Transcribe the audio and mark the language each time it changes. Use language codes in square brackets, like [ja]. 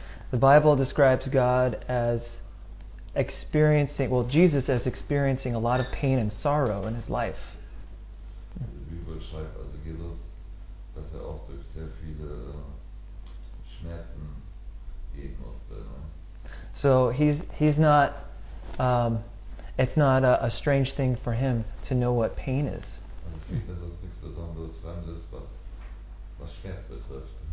[en] The Bible describes God as experiencing, well, Jesus as experiencing a lot of pain and sorrow in His life. [de] Die Bibel schreibt also Jesus, dass er auch durch sehr viele Schmerzen gehen musste. [en] So he's not, it's not a strange thing for Him to know what pain is. [de] Also ist nichts Besonderes Fremdes, was Schmerz betrifft.